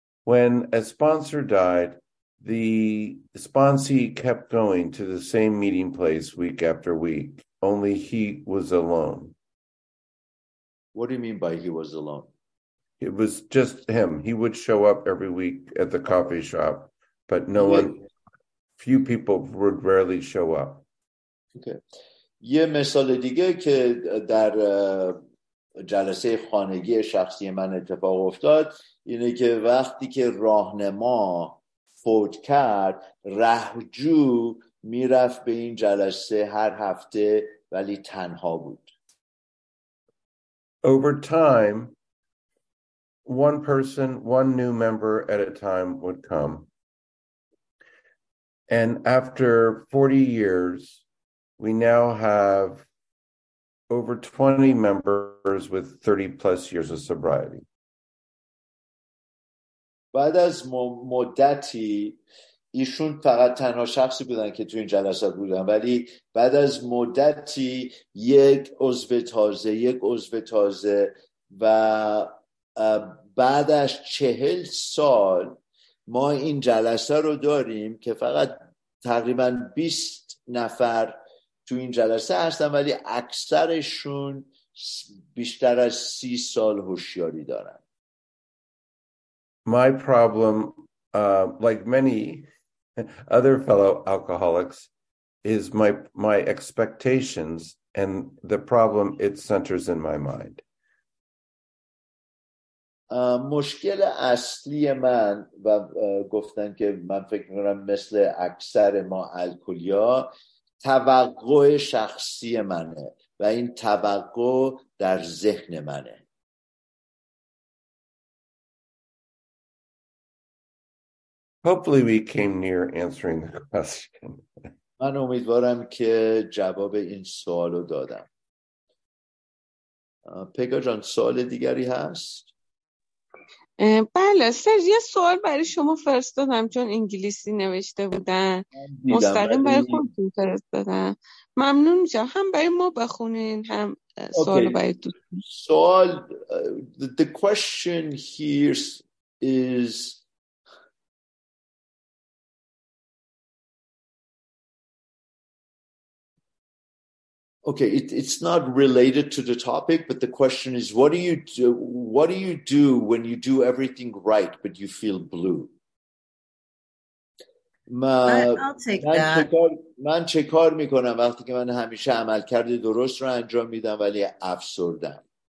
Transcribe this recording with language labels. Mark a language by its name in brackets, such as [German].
[English] when a sponsor died, the sponsee kept going to the same meeting place week after week, only he was alone. What do you mean by he was alone? It was just him. He would show up every week at the coffee shop, but no one, few people would rarely show up. Okay. [Persian] یه مثال دیگه که در جلسه خانگی شخصی من اتفاق افتاد اینه که وقتی که راهنما فوت کرد رهجو میرفت به این جلسه هر هفته ولی تنها بود. [English] Over time, one person, one new member at a time would come. And after 40 years, we now have over 20 members with 30 plus years of sobriety. [Persian] بعد از مدتی ایشون فقط تنها شخصی بودن که تو این جلسات بودن ولی بعد از مدتی یک عضو تازه و بعدش 40 سال ما این جلسه رو داریم که فقط تقریبا 20 نفر تو این جلسه هستن ولی اکثرشون بیشتر از 30 سال هوشیاری دارن. [English] My problem, like many other fellow alcoholics, is my expectations, and the problem it centers in my mind. [Persian] مشکل اصلی من و گفتن که من فکر می‌کنم مثل اکثر ما الکلیا توقع شخصی منه و این توقع در ذهن منه. [English] Hopefully we came near answering the question. [Persian] من امیدوارم که جواب این سوالو دادم. پگا جان سوال دیگری هست؟ بله سر یه سوال برای شما فرستادم چون انگلیسی نوشته بودن مستقیم برای خودتون فرستادم. ممنون میشم هم برای ما بخونین هم سوال برای دوستون. سوال [English] the question here is okay, it's not related to the topic, but the question is, what do you do when you do everything right but you feel blue? I'll take that. [Persian] من چه کار میکنم وقتی که من همیشه عمل کرده درست رو انجام میدم ولی افسردم.